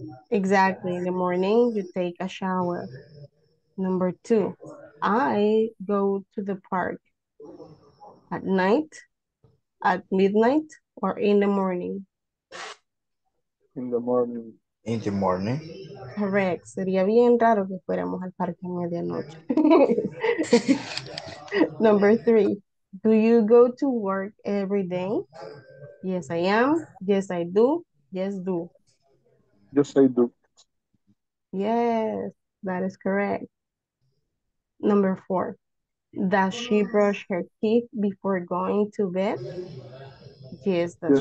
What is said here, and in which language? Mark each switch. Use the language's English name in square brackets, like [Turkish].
[English] Exactly, in the morning you take a shower. Number two, I go to the park. At night, at midnight, or in the morning? In the morning. In the morning. Correct. [Spanish] Sería bien raro que fuéramos al parque a medianoche. [English] Number three, do you go to work every day? Yes, I am. Yes, I do. Yes, do. Yes, I do. Yes, that is correct. Number four, does she brush her teeth before going to bed? Yes, does